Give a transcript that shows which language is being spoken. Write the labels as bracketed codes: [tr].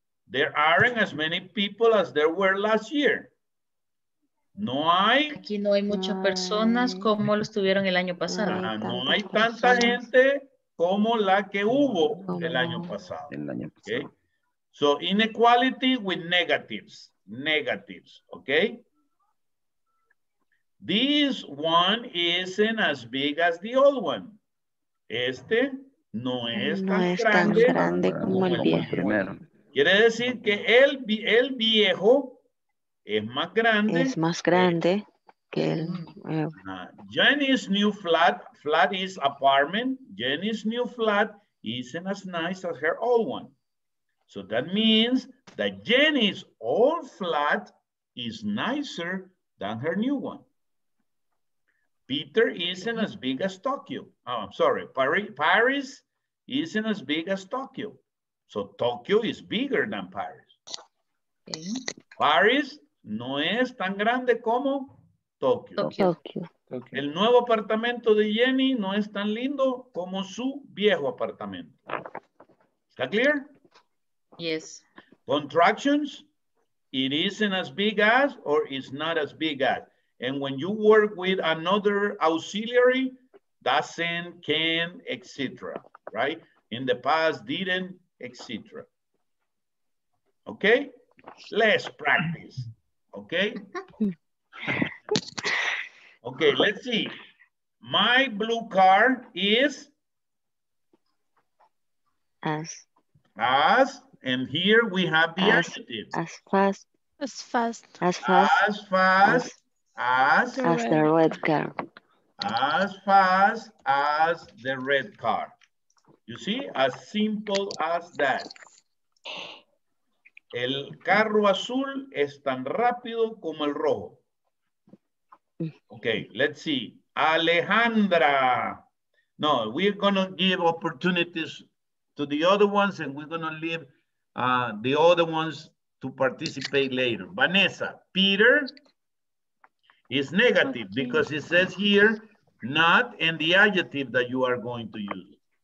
[en] There aren't as many people as there were last year. [es] No hay. Aquí no hay muchas personas como lo estuvieron el año pasado. No hay tanta gente como la que hubo el año pasado. [en] Okay. So inequality with negatives. Negatives. Okay. This one isn't as big as the old one. [es] Este no es no tan es grande, tan grande como el viejo. Quiere decir que el viejo es más grande. Es más grande que el nuevo. [en] Jenny's new flat, flat is apartment. Jenny's new flat isn't as nice as her old one. So that means that Jenny's old flat is nicer than her new one. Peter isn't as big as Tokyo. Oh, I'm sorry. Paris isn't as big as Tokyo. So Tokyo is bigger than Paris. [es] Paris no es tan grande como Tokyo. Tokyo. El nuevo apartamento de Jenny no es tan lindo como su viejo apartamento. ¿Está [en] clear? Yes. Contractions, it isn't as big as, or it's not as big as. And when you work with another auxiliary, doesn't, can, etc. Right? In the past, didn't, etc. Okay? Let's practice. Okay? Okay, let's see. My blue car is? As. As. And here we have the adjective. As fast. As fast. As fast. As fast. As the red car. As fast as the red car. You see? As simple as that. [es] El carro azul es tan rápido como el rojo. [en] Okay, let's see. Alejandra. No, we're going to give opportunities to the other ones and we're going to leave the other ones to participate later. Vanessa, Peter is negative okay. Because it says here not and the adjective that you are going to use.